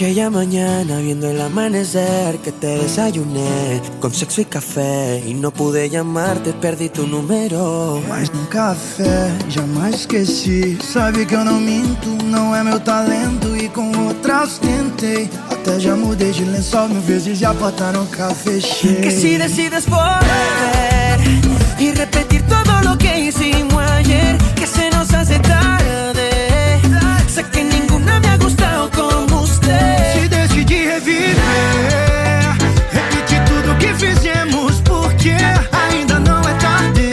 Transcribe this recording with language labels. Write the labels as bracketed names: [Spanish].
[Spanish] mañana viendo el amanecer que te desayuné con sexo y café y no pude llamarte, perdí tu número. [Portuguese] Mas no café, jamais esqueci. Sabe que eu não minto, não é meu talento e com outras tentei. Até já mudei de lençol mil vezes e a porta nunca fechei. [Spanish] Que se decides volver e repetir todo lo que hicimos ayer, que se nos hace tarde. Sé que ninguna me ha gustado como [Portuguese] se decidir reviver, repetir tudo que fizemos, porque ainda não é tarde.